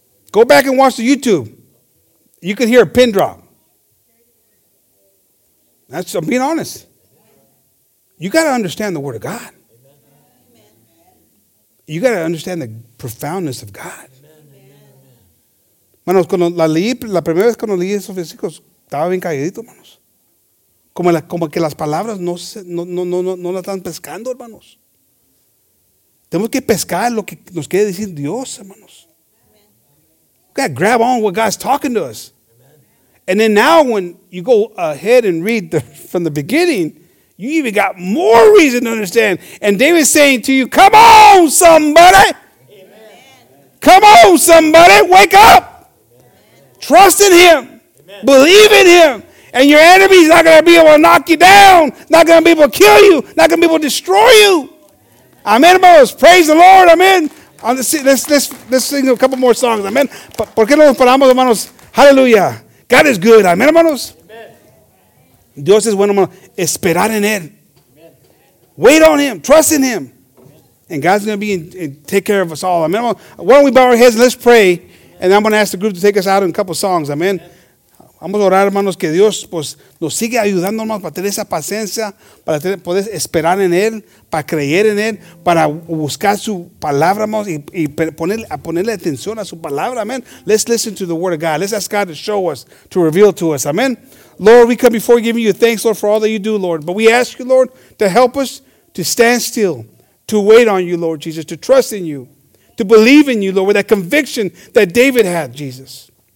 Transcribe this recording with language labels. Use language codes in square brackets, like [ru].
[en] Go back and watch the YouTube. You could hear a pin drop. That's, I'm being honest. You got to understand the Word of God. You got to understand the profoundness of God. [es] Manos, cuando la leí, la primera vez cuando leí esos versículos, estaba bien calladito, manos. Como que las palabras no la están pescando, hermanos. Tenemos que pescar lo que nos quiere decir Dios, hermanos. [en] We got to grab on what God's talking to us. And then now when you go ahead and read from the beginning, you even got more reason to understand. And David's saying to you, come on, somebody. Amen. Come on, somebody. Wake up. Amen. Trust in him. Amen. Believe in him. And your enemy's not going to be able to knock you down. Not going to be able to kill you. Not going to be able to destroy you. Amen, hermanos. Praise the Lord. Amen. Let's sing a couple more songs. Amen. [es] ¿Por qué no nos paramos, hermanos? Hallelujah. [en] God is good. [es] Amen, hermanos. Amen. Dios es bueno, hermanos. Esperar en él. Amen. [en] Wait on him. Trust in him. [es] Amen. [en] And God's going to be in take care of us all. Amen, hermanos. Why don't we bow our heads and let's pray. Amen. And I'm going to ask the group to take us out in a couple songs. Amen. Amen. [es] Vamos a orar, hermanos, que Dios pues, nos sigue ayudando, hermanos, para tener esa paciencia, para poder esperar en él, para creer en él, para buscar su palabra, hermanos, y ponerle atención a su palabra. [en] Amen. Let's listen to the word of God. Let's ask God to show us, to reveal to us. Amen. Lord, we come before giving you thanks, Lord, for all that you do, Lord. But we ask you, Lord, to help us to stand still, to wait on you, Lord Jesus, to trust in you, to believe in you, Lord, with that conviction that David had, Jesus.